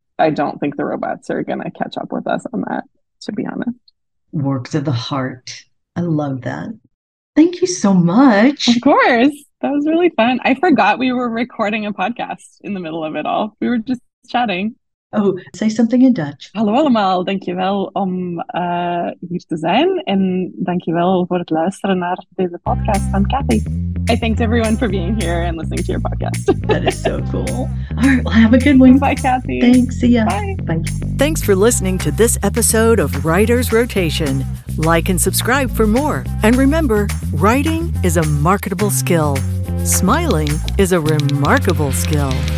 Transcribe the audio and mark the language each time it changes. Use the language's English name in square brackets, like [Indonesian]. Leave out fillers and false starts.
[English] I don't think the robots are going to catch up with us on that, to be honest. Works of the heart. I love that. Thank you so much. Of course. That was really fun. I forgot we were recording a podcast in the middle of it all. We were just chatting. Oh, say something in Dutch. [Dutch] Hallo allemaal. Dankjewel om hier te zijn. En dankjewel voor het luisteren naar deze podcast van Cathy. [English] I thanked everyone for being here and listening to your podcast. That is so cool. All right, well, have a good one. Bye, Cathy. Thanks. See ya. Bye. Thanks for listening to this episode of Writer's Rotation. Like and subscribe for more. And remember, writing is a marketable skill. Smiling is a remarkable skill.